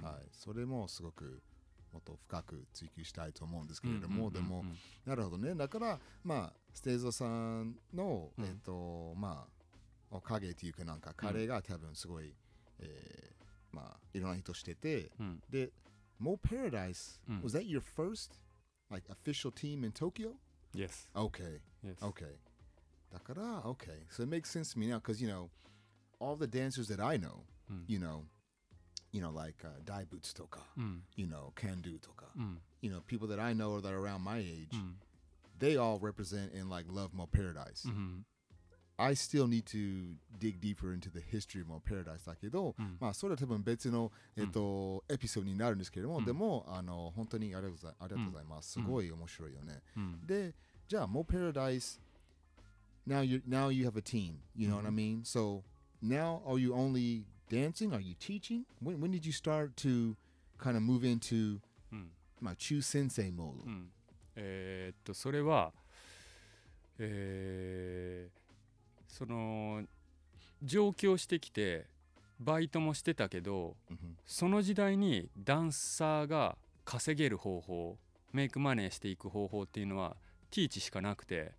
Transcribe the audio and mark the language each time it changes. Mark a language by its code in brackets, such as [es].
[ja] はい、それもすごくもっと深く追求したいと思うんですけれども、うんうんうんうん、でもなるほどね。だからまあステイゾさんの、うん、まあおかげというかなんか彼が多分すごい、うん、まあいろんな人してて、うん、 [en] で Mo Paradise、うん、was that your first like official team in Tokyo? Yes. Okay. Yes. Okay. だから Okay. So it makes sense to me now because you know all the dancers that I know、うん、 you knowYou know, like Daibutsu とか、うん、 you know, Kandu とか、うん、 you know, people that I know or that are around my age,、うん、 they all represent in like Love More Paradise.、うん、 I still need to dig deeper into the history of More Paradise だけど、うん、 [ja] まあそれは多分別の、エピソードになるんですけれども、うん、でもあの本当にありがとうございます。すごい面白いよね。うん、 [en] で、じゃあ More Paradise, now you have a team, you know、うん、what I mean? So now are you only... Dancing? Are you teaching? When did you start to kind of move into、うん、 [ja] まあ、Chu Sensei mode?、うん、それは、その上京してきてバイトもしてたけど、うん、その時代にダンサーが稼げる方法、メイクマネーしていく方法っていうのはティーチしかなくて、